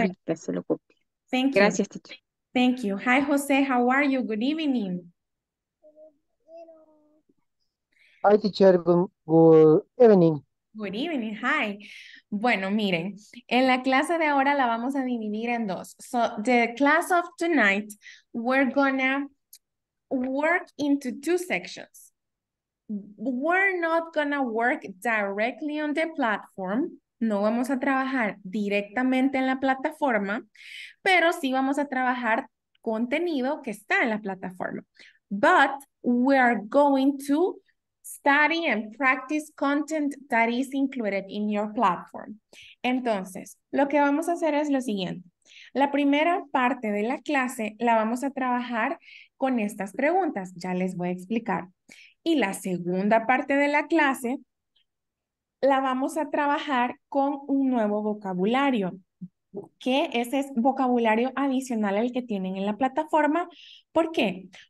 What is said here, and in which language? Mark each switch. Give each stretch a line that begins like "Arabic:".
Spanish: Ahorita se lo copio.
English: thank you.
Spanish: Gracias, teacher.
English: Thank you. Hi, José, how are you? Good evening. Hi, teacher. Good evening. Good evening, hi.
Spanish: Bueno, miren, en la clase de ahora la vamos a dividir en dos.
English: So, the class of tonight, we're gonna work into two sections. We're not gonna work directly on the platform.
Spanish: No vamos a trabajar directamente en la plataforma, pero sí vamos a trabajar contenido que está en la plataforma.
English: But we are going to study and practice content that is included in your platform.
Spanish: Entonces, lo que vamos a hacer es lo siguiente. La primera parte de la clase la vamos a trabajar con estas preguntas. Ya les voy a explicar. Y la segunda parte de la clase la vamos a trabajar con un nuevo vocabulario, que ese es vocabulario adicional al que tienen en la plataforma. ¿Por qué?